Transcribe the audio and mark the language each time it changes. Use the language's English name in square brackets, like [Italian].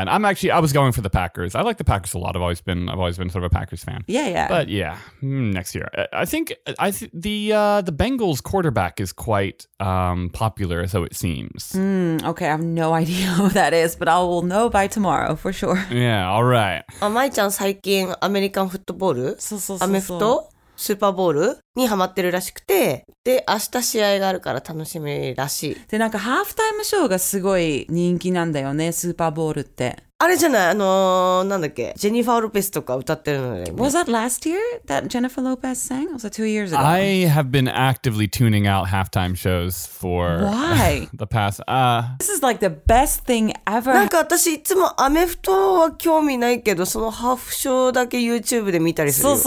[English] And I was going for the Packers. I like the Packers a lot. I've always been sort of a Packers fan. Yeah. But yeah, next year. I think the Bengals quarterback is quite popular, so it seems. Okay. I have no idea who that is, but I will know by tomorrow. Oh, for sure. Yeah, all right. [Japanese] Mai ちゃん最近アメリカンフットボール、アメフト、スーパーボールにハマってるらしくて、で明日試合があるから楽しみらしい。でなんかハーフタイムショーがすごい人気なんだよね、スーパーボールって。あれじゃない、なんだっけ、ジェニファー・ロペスとか歌ってるのね。 [English] Was that last year that Jennifer Lopez sang? Was that 2 years ago? I have been actively tuning out halftime shows for why? The past. This is like the best thing ever. [Japanese] なんか私いつもアメフトは興味ないけど、そのハーフショーだけ YouTube で見たりする。